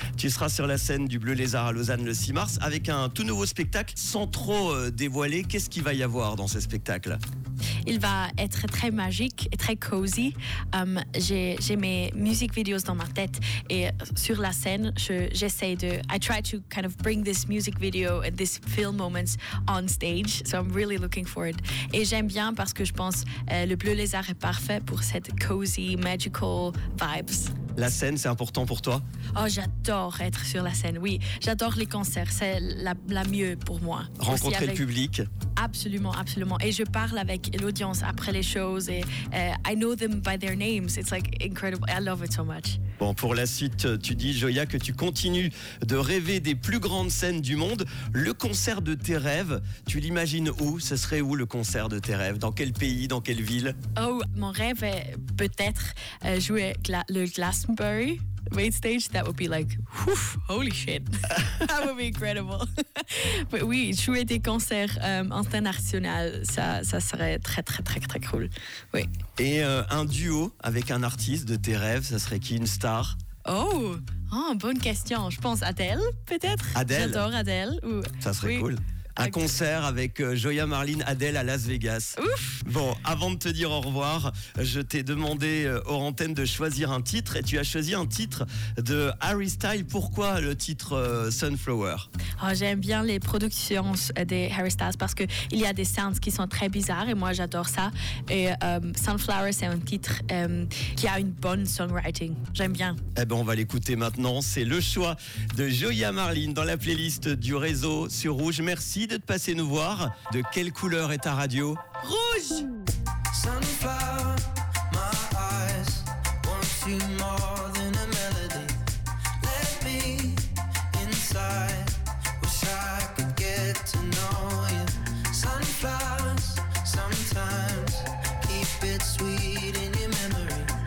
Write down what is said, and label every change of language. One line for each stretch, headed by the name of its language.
French: Tu seras sur la scène du Bleu Lézard à Lausanne le 6 mars avec un tout nouveau spectacle sans trop dévoiler. Qu'est-ce qu'il va y avoir dans ce spectacle? Il va être très magique et très cozy. J'ai mes music videos dans ma tête et sur la scène, j'essaie de...
English: I try to kind of bring this music video and this film moments on stage. So I'm really looking forward.
French: Et j'aime bien parce que je pense le Bleu Lézard est parfait pour cette
English: cozy, magical vibes.
French: La scène, c'est important pour toi? Oh, j'adore être sur la scène, oui. J'adore les concerts, c'est la mieux pour moi. Rencontrer le public? Absolument, absolument. Et je parle avec l'audience après les choses.
English: Et I know them by their names. It's like incredible. I love it so much.
French: Bon, pour la suite, tu dis, Joya, que tu continues de rêver des plus grandes scènes du monde. Le concert de tes rêves, tu l'imagines où? Ce serait où le concert de tes rêves? Dans quel pays? Dans quelle ville? Oh, mon rêve est peut-être jouer le Glastonbury.
English: Main stage, that would be like, whew, holy shit, that would be incredible.
French: Mais oui, jouer des concerts internationaux, ça serait très, très, très, très cool. Oui. Et un duo avec un artiste de tes rêves, ça serait qui, une star? Oh, bonne question. Je pense Adèle, peut-être. Adèle? J'adore Adèle. Ou... Ça serait oui. Cool. Un concert avec Joya Marlin, Adèle à Las Vegas. Ouf! Bon, avant de te dire au revoir, je t'ai demandé hors antenne de choisir un titre et tu as choisi un titre de Harry Styles. Pourquoi le titre Sunflower? Oh, j'aime bien les productions des Harry Styles parce qu'il y a des sounds qui sont très bizarres et moi j'adore ça. Et Sunflower, c'est un titre qui a une bonne songwriting. J'aime bien. Eh bien, on va l'écouter maintenant. C'est le choix de Joya Marlin dans la playlist du réseau sur Rouge. Merci de te passer nous voir. De quelle couleur est ta radio? Rouge!
English: Sunflower, my eyes want you more than a melody. Let me inside, wish I could get to know you. Sunflowers, sometimes keep it sweet in your memory.